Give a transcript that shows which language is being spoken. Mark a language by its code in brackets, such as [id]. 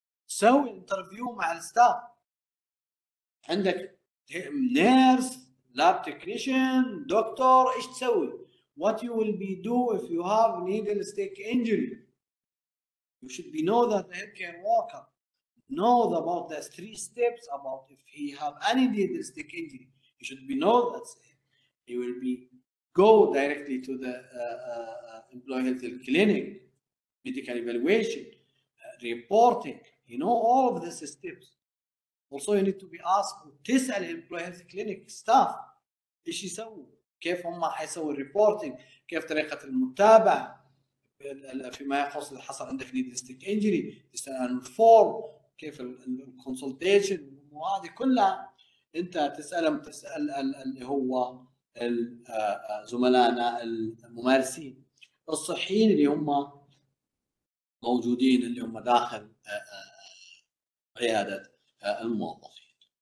[ar] سوي انترفيو مع الستاف، عندك نيرس لاب تكنيشن دكتور، ايش تسوي؟ [en] What you will be do if you have needle stick injury? You should be know that the health care worker know about the three steps about if he have any needle stick injury. He should be know that he will be go directly to the employee health clinic, medical evaluation, reporting. You know all of these steps. Also, you need to be asked to tell the employee health clinic staff, [ar] ايش يسوي؟ كيف هم حيسوي reporting؟ كيف طريقة المتابعة؟ فيما يخص إذا حصل عندك needle stick injury، تسأل عن الفورم. كيف الكونسلتيشن هذه كلها انت تسالهم، تسال اللي هو زملائنا الممارسين الصحيين اللي هم موجودين اللي هم داخل عياده الموظفين.